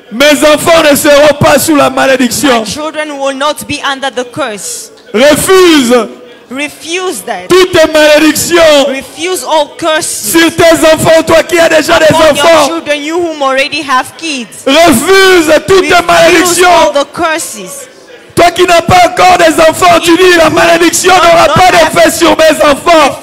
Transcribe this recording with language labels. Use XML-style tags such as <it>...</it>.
<fr>Mes enfants ne seront pas sous la malédiction.</fr> <en>My children will not be under the curse.</en> <fr>Refuse.</fr> <en>Refuse that.</en> <fr>Toute malédiction.</fr> <en>Refuse all curses.</en> <fr>Sur tes enfants, toi qui as déjà des enfants.</fr> <en>Upon your children, you whom already have kids.</en> <fr>Refuse toute malédiction.</fr> <en>Refuse all the curses.</en> <fr>Toi qui n'as pas encore des enfants, tu dis la malédiction n'aura pas d'effet sur mes enfants.</fr>